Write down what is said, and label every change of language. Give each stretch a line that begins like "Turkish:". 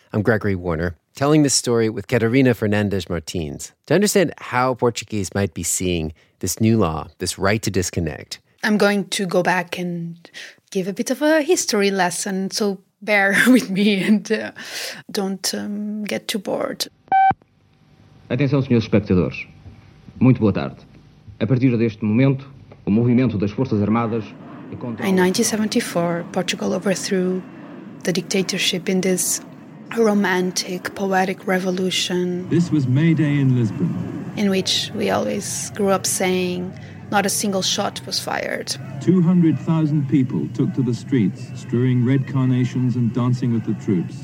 English: I'm Gregory Warner, telling this story with Catarina Fernandez Martins to understand how Portuguese might be seeing this new law, this right to disconnect. I'm going to go back and give a bit of a history lesson, so bear with me and don't get too bored.
Portuguese: Atenção, senhores espectadores. Muito boa tarde. A partir deste momento, o movimento das Forças Armadas...
English: In 1974, Portugal overthrew the dictatorship in this romantic, poetic revolution. This was May Day in Lisbon. In which we always grew up saying, not a single shot was fired. 200,000 people took to the streets, strewing red carnations and dancing with the troops.